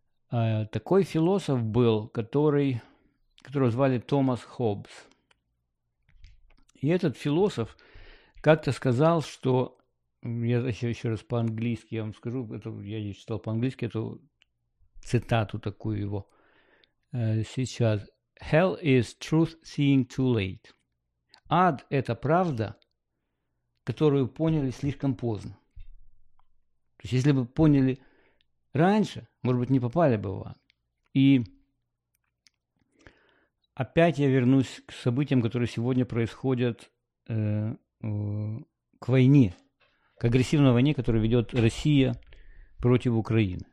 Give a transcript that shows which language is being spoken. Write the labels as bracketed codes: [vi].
[ru] Такой философ был, которого звали Томас Хоббс. И этот философ как-то сказал, что... Я еще раз по-английски я вам скажу. Я не читал по-английски эту цитату такую его. Сейчас. [en] Hell is truth seeing too late. [ru] Ад – это правда, которую поняли слишком поздно. То есть, если бы поняли раньше, может быть, не попали бы в ад. И опять я вернусь к событиям, которые сегодня происходят к войне, к агрессивной войне, которую ведет Россия против Украины.